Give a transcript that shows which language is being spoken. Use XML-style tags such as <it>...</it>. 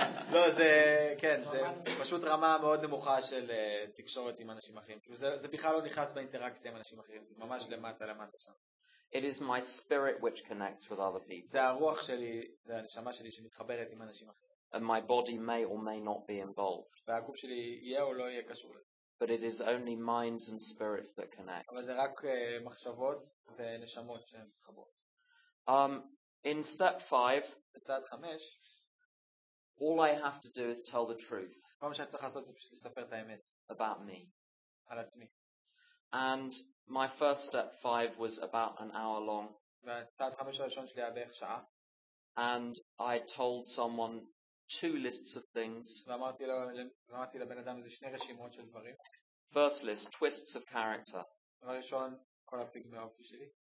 <he>לא, זה, כן, זה פשוט רמה מאוד נמוכה של תקשורת עם אנשים אחרים. זה בכלל לא נכנס באינטראקציה עם אנשים אחרים. ממש למטה, למטה שם.</he> <en>It is my spirit which connects with other people.</en> <he>זה הרוח שלי, זה הנשמה שלי שמתחברת עם אנשים אחרים.</he> <en>And my body may or may not be involved.</en> <he>והגוף שלי יהיה או לא יהיה קשור.</he> <en>But it is only minds and spirits that connect.</en> <he>אבל זה רק מחשבות ונשמות שמתחברות.</he> <en>In step 5,</en> <he>בצד 5,</he> <en>all I have to do is tell the truth.</en> <he>כל מה שאני צריך לעשות זה פשוט לספר את האמת.</he> <en>About me.</en> <he>על עצמי.</he> <en>And my first step 5 was about an hour long.</en> <he>והצד 5 הראשון שלי היה בערך שעה.</he> <en>And I told someone two lists of things.</en> <he>ואמרתי לבן אדם איזה שני רשימות של דברים.</he> <en>First list, twists of character.</en> <he>הראשון, כל הפגמי האופי שלי.</he>